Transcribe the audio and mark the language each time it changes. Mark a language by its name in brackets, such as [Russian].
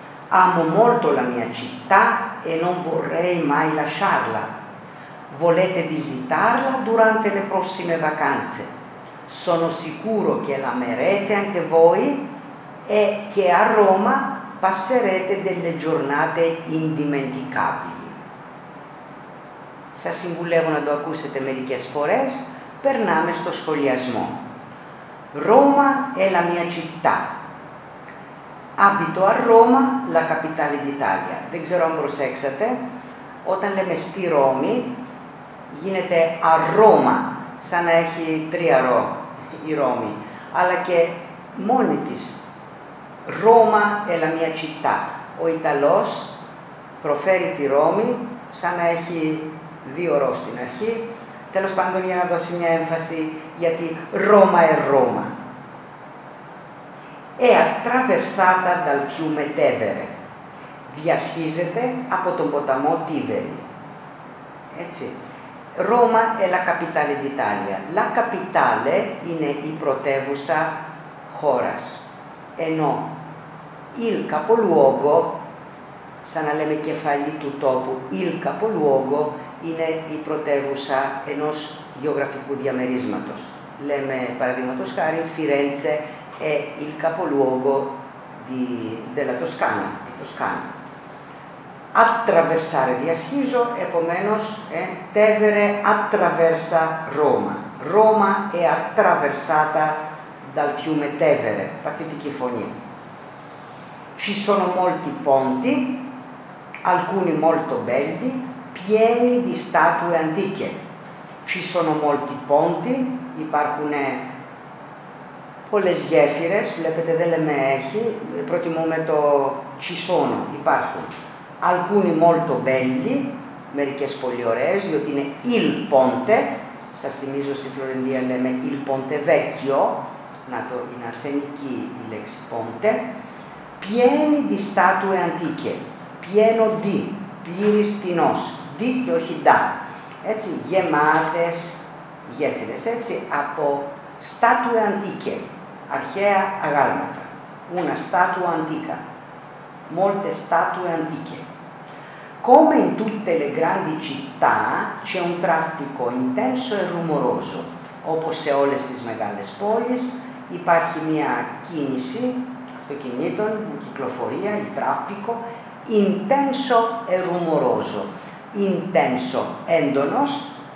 [Italian] Amo molto la mia città e non vorrei mai lasciarla. Volete visitarla durante le prossime vacanze? Sono sicuro che l'amerete anche voi e che a Roma passerete delle giornate indimenticabili. [Greek] Σας συμβουλεύω να το ακούσετε μερικές φορές, περνάμε στο σχολιασμό. [Italian] Roma è la mia città. Abito a Roma, la capitale d'Italia. [Greek] Δεν ξέρω αν προσέξατε, όταν λέμε στη Ρώμη, γίνεται [Italian] a Roma, [Greek] σαν να έχει τρία ρο η Ρώμη, αλλά και μόνη της. [Italian] Roma è la mia città. [Greek] Ο Ιταλός προφέρει τη Ρώμη σαν να έχει δύο ρο στην αρχή, τέλος πάντων για να δώσει μια έμφαση, γιατί [Italian] Roma è Roma. È attraversata dal fiume Tevere. [Greek] Διασχίζεται από τον ποταμό Τίβερη. Έτσι. [Italian] Roma è la capitale d'Italia. La capitale [Greek] είναι η πρωτεύουσα χώρας. Ενώ [Italian] il capoluogo, [Greek] σαν να λέμε κεφαλή του τόπου, il capoluogo είναι η πρωτεύουσα ενός γεωγραφικού διαμερίσματος. Λέμε, παραδείγματος χάρη, [Italian] Firenze è il capoluogo della Toscana, di Toscana. Attraversare [Greek] διασχίζω, επομένως, [Italian] Tevere attraversa Roma. Roma è attraversata dal fiume Tevere, [Greek] παθητική φωνή. [Italian] Ci sono molti ponti, alcuni molto belli, pieni di statue antiche. Ci sono molti ponti, [Greek] υπάρχουν πολλές γέφυρες, βλέπετε δεν λέμε έχει, προτιμούμε το [Italian] ci sono, [Greek] υπάρχουν. [Italian] Alcuni molto belli, [Greek] μερικές πολύ ωραίες, διότι είναι il ponte, σας θυμίζω στη Φλωρεντία λέμε [Italian] il ponte vecchio, [Greek] να το είναι αρσενική η λέξη ponte, [Italian] pieni di statue antiche, pieno di, [Greek] πλήρης τινός, [Italian] di και όχι da, έτσι, [Greek] γεμάτες γέφυρες, έτσι, από [Italian] statue antiche, [Greek] αρχαία αγάλματα, [Italian] una statua antica, molte statue antiche. Come in tutte le grandi città c'è un traffico intenso e rumoroso. [Greek] Όπως σε όλες τις μεγάλες πόλεις υπάρχει μια κίνηση αυτοκινήτων, η κυκλοφορία, η τράφικο, [Italian] intenso e rumoroso. Intenso, [Greek] έντονος,